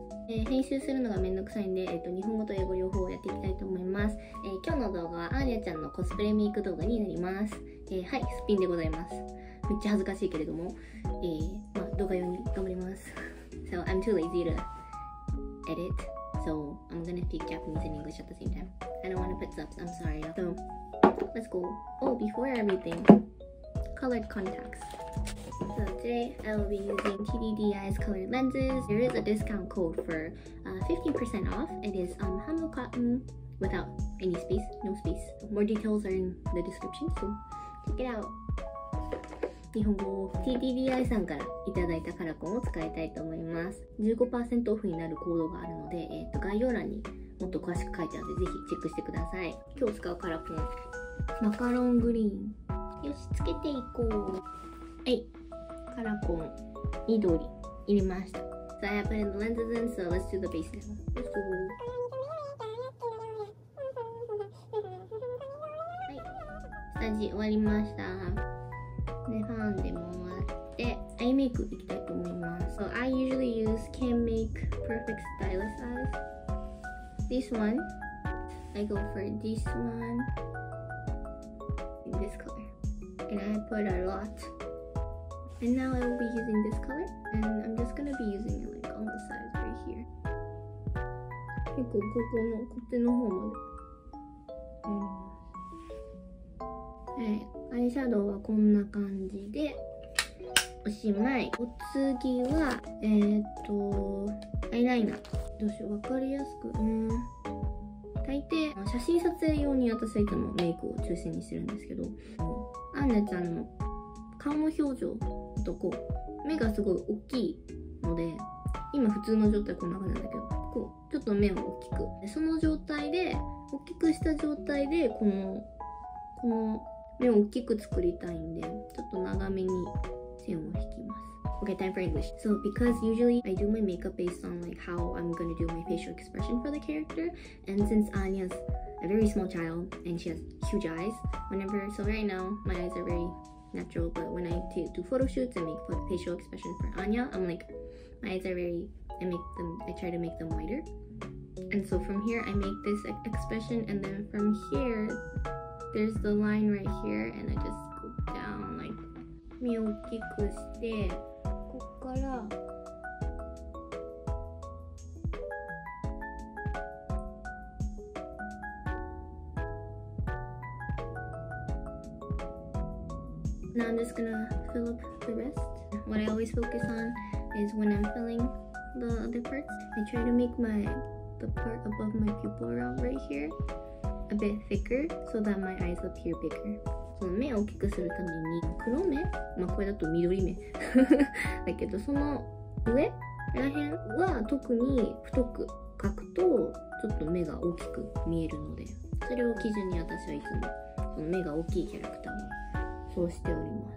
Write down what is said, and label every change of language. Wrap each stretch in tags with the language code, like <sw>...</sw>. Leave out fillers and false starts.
<ja>編集するのがめんどくさいんで、日本語と英語両方やっていきたいと思います。今日の動画はアーニャちゃんのコスプレメイク動画になります。はい、すっぴんでございます。めっちゃ恥ずかしいけれども、動画用に頑張ります。</ja> <en>So, I'm too lazy to edit. So, I'm gonna speak Japanese and English at the same time. I don't wanna put subs, I'm sorry. So, let's go. Oh, before everything, colored contacts. So today I will be using TDDI's colored lenses. There is a discount code for 50% off. It is Hanmu Cotton without any space, no space. More details are in the description, so check it out.</en> <ja>日本語を TDDI さんからいただいたカラコンを使いたいと思います。 15% off になるコードがあるので、概要欄にもっと詳しく書いてあるのでぜひチェックしてください。今日使うカラコン、マカロングリーン。よし、つけていこう。はい。カラコン緑入れました。</ja> <en>So I put in the lenses in, so let's do the base now. Let's go.</en> <ja>はい、下地終わりました。で、ファンデもあって、アイメイクいきたいと思います。</ja> <en>So I usually use can make perfect stylus eyes. This one, I go for this one in this color, and I put a lotAnd now I will be using this color, and I'm just gonna be using it like on the sides right here.</en> <ja>結構ここのこっちの方まで。はい、アイシャドウはこんな感じでおしまい。お次はアイライナー。どうしよう、わかりやすく。大抵写真撮影用に私はいつもメイクを中心にしてるんですけど、アンネちゃんの顔の表情。とこう目がすごい大きいので、今普通の状態こんな感じなんだけど、こうちょっと目を大きく、その状態で大きくした状態でこの目を大きく作りたいんで、ちょっと長めに線を引きます。</ja> <en>Okay, time for English. So because usually I do my makeup based on like how I'm gonna do my facial expression for the character, and since Anya's a very small child and she has huge eyes, whenever, so right now my eyes are very natural, but when I do photo shoots and make facial expression for Anya, I'm like, my eyes are very, I try to make them wider. And so from here, I make this expression, and then from here, there's the line right here, and I just go down like,</en> <ja>目を大きくして、こっから、</ja> <en>Now I'm just gonna fill up the rest. What I always focus on is when I'm filling the other parts, I try to make the part above my pupil round right here a bit thicker so that my eyes appear bigger.</en> <ja>So, 目を大きくするために黒目、まあこれだと緑目だけど、その上らへんは特に太く描くとちょっと目が大きく見えるので、それを基準に私はいつもその目が大きいキャラクターをそうしております。</ja>